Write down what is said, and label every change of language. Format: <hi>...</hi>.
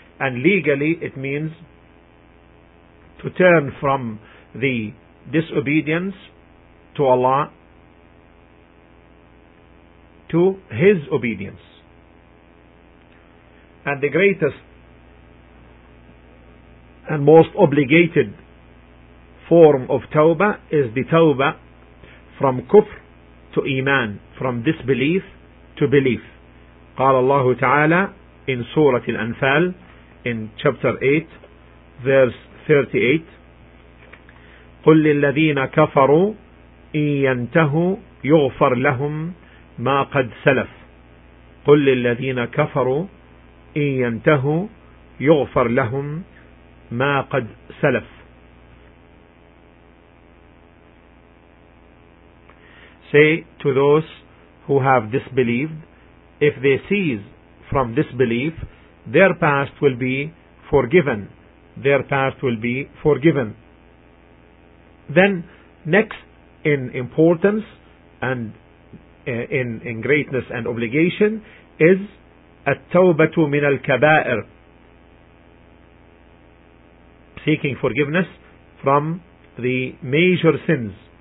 <en>And legally it means to turn from the disobedience to Allah, to His obedience. And the greatest and most obligated form of tawbah is the tawbah from kufr to iman, from disbelief to belief.</en> <ar>قال الله تعالى</ar> <en>in Surah Al-Anfal in chapter 8 verse 38,</en> <ar>قل للذين كفروا إن ينتهوا يغفر لهم ما قد سلف قل للذين كفروا إن ينتهوا يغفر لهم ما قد سلف.</ar> <en>Say to those who have disbelieved, if they cease from disbelief, their past will be forgiven. Their past will be forgiven. Then next in importance and in greatness and obligation is</en> <ar>at-tawbatu min al-kaba'ir,</ar> <en>seeking forgiveness from the major sins.</en>